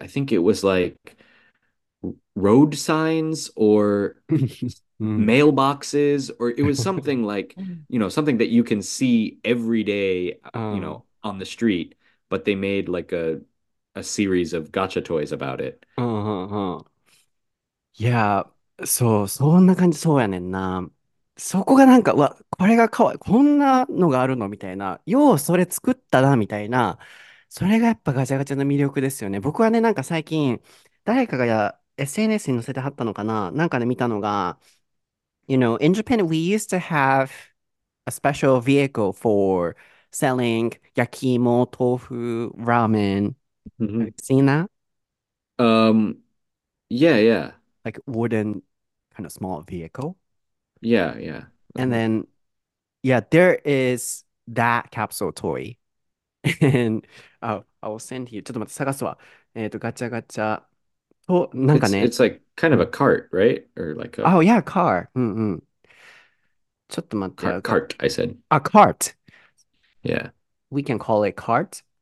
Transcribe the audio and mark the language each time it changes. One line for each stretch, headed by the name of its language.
English: I think it was like road signs or mailboxes, or it was something like, you know, something that you can see every day, you know, on the street, but they made like a series of gacha toys about it. Yeah, so
Japanese: そんな感じそうやねんな。そこがなんか、わ、これがかわい、こんなのがあるのみたいな、ようそれ作ったなみたいな、それがやっぱガチャガチャの魅力ですよね。僕はね、なんか最近誰かがや SNS に載せてはったのかな、なんかで、ね、見たのが、
English: You know, in Japan, we used to have a special vehicle for selling
Japanese: 焼き芋、豆腐、ラーメン。
English: Mm-hmm. Have you seen that? Yeah, yeah. Like wooden kind of small vehicle. Yeah, yeah. And then, yeah, there is that capsule toy. And I will send you.
Japanese: ちょっと待って、探すわ。ガチャガチャ。お、なんかね。
English: It's like kind of a cart, right? Or like a... Oh, yeah, car. Mm-hmm.
Japanese: ちょっと待って。
English: Cart, I said. A cart. Yeah. We can call it cart.